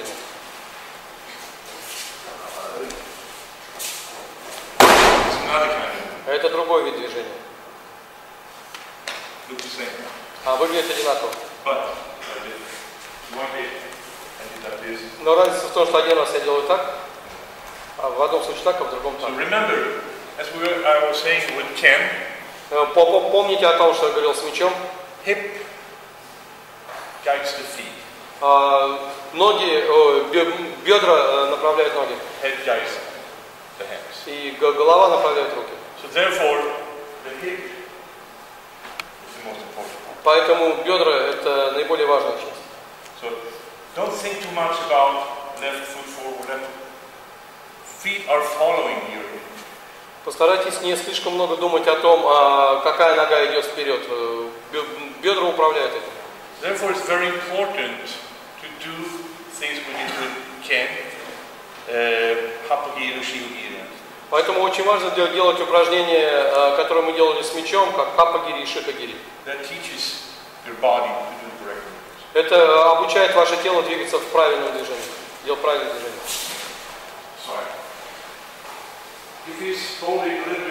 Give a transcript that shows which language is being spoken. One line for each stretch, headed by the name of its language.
English: It's another kind of move.
Russian: Это другой вид движения.
English: Look the same.
Russian: Выглядит одинаково.
English: But one day I did this.
Russian: Но разница в том, что один раз я делаю так. В одном случае так, а в другом так.
English: So remember, as we were, I was saying with Ken.
Russian: Помните о том, что я говорил с мячом.
English: Hip guides the feet.
Russian: Ноги, бедра направляют ноги.
English: Head guides the hands.
Russian: И голова направляет руки.
English: So therefore, the hip is the most important part.
Russian: Поэтому бедра это наиболее важная часть.
English: So don't think too much about left foot forward. Feet are following you.
Russian: Постарайтесь не слишком много думать о том, какая нога идет вперед. Бедра управляют этим.
English: Therefore, it's very important to do things when you can. Hapugiru, shihugiru.
Russian: Поэтому очень важно делать упражнения, которые мы делали с мячом, как хапагири и шихагири.
English: That teaches your body to do correctly.
Russian: Это обучает ваше тело двигаться в правильном движении. Делать правильное движение.